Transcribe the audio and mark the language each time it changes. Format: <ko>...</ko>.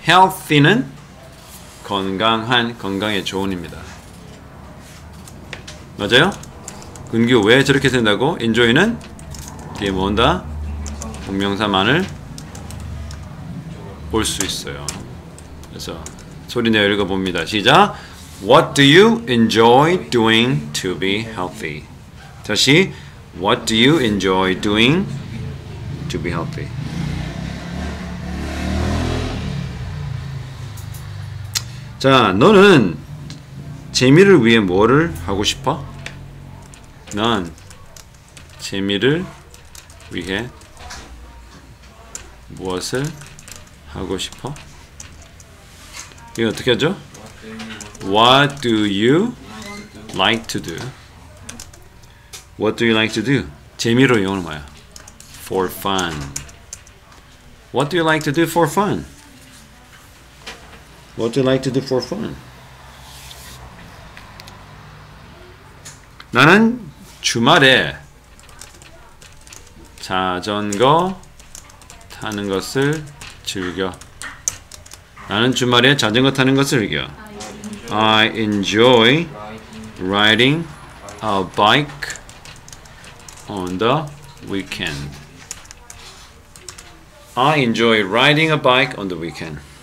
<ko>Healthy는 건강한, 건강에 좋은입니다. 맞아요? 근기 왜 저렇게 된다고? enjoy는 뒤에 뭔다? 동명사만을 볼 수 있어요. 그래서 소리 내어 읽어 봅니다. 시작.</ko> <en>What do you enjoy doing to be healthy? 다시 What do you enjoy doing to be healthy?</en> <ko>자, 너는 재미를 위해 뭐를 하고 싶어? 넌 재미를 위해 무엇을 하고 싶어? 이거 어떻게 하죠?</ko> <en>What do you like to do? What do you like to do?</en> <ko>재미로 이용하는 거야.</ko> <en>For fun. What do you like to do for fun? What do you like to do for fun?</en> <ko>나는 주말에 자전거 타는 것을 즐겨. 나는 주말에 자전거 타는 것을 즐겨.</ko> <en>I enjoy riding a bike on the weekend. I enjoy riding a bike on the weekend.</en>